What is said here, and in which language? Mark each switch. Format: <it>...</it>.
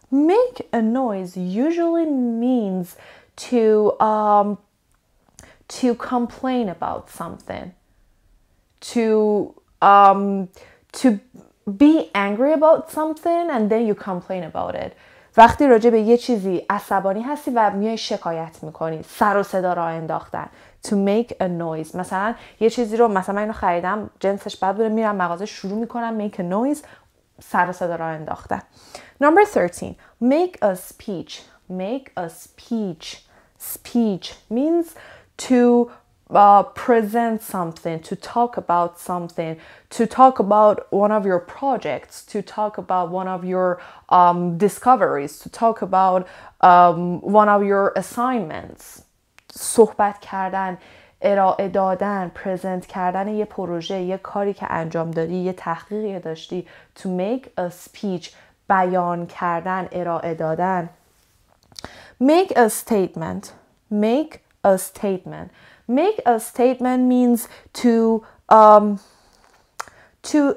<en>Make a noise usually means to complain about something. To be angry about something and then you complain about it.</en> <fa>وقتی راجع به یه چیزی عصبانی هستی و میای شکایت میکنی، سر و صدا را انداختن.</fa> <en>To make a noise.</en> <fa>مثلا یه چیزی رو، مثلا من اینو خریدم جنسش بد بوده، میرم مغازه شروع میکنم make a noise، سر و صدا را انداختن.</fa> <en>Number 13. Make a speech. Make a speech. Speech means to present something, to talk about something, to talk about one of your projects, to talk about one of your discoveries, to talk about one of your assignments.</en> <fa>صحبت کردن، ارائه دادن، پرزنت کردن یه پروژه، یه کاری که انجام دادی، یه تحقیقی داشتی، to make a speech، بیان کردن، ارائه دادن.</fa> <en>Make a statement means to</en>